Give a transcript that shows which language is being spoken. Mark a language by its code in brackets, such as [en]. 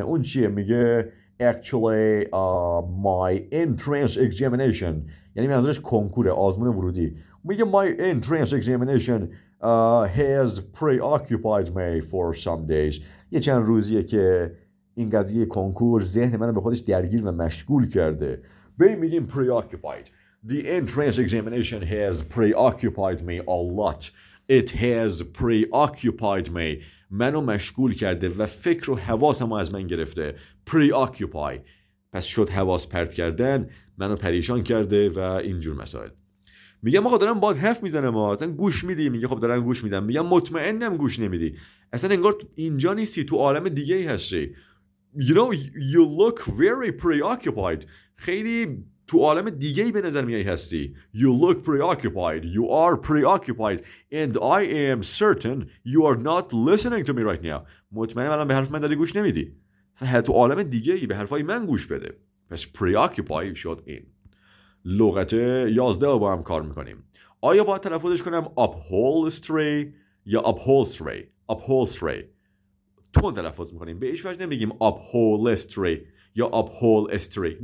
[fa] اون چیه؟ میگه [en] Actually, my entrance examination. [fa] یعنی منظورش کنکوره، آزمون ورودی. میگه [en] my entrance examination has preoccupied me for some days. [fa] یه چند روزیه که این قضیه کنکور ذهن منو به خودش درگیر و مشغول کرده. به این میگیم preoccupied. [en] The entrance examination has preoccupied me a lot. It has preoccupied me. [fa] منو مشغول کرده و فکر و حواسم رو از من گرفته. [en] Preoccupy. [fa] پس شد حواس پرت کردن، منو پریشان کرده و اینجور مسائل. میگم آقا دارم باهات حرف میزنم، اصلا گوش میدی؟ میگه خب دارم گوش میدم. میگم مطمئنم گوش نمیدی، اصلا انگار اینجا نیستی، تو عالم دیگه ای هستی. [en] You know you look very preoccupied. [fa] خیلی تو عالم دیگه ای به نظر میای هستی. [en] You look preoccupied. You are preoccupied and I am certain you are not listening to me right now. [fa] مطمئنم الان به حرف من داری گوش نمیدی، اصلا تو عالم دیگه ای، به حرفای من گوش بده. پس preoccupied شد این. لغت 11 رو با هم کار میکنیم. آیا باید تلفظش کنم upholstery یا upholstery؟ upholstery تون تلفظ میکنیم، به ایش وجه نمیگیم upholstery یا upholstery.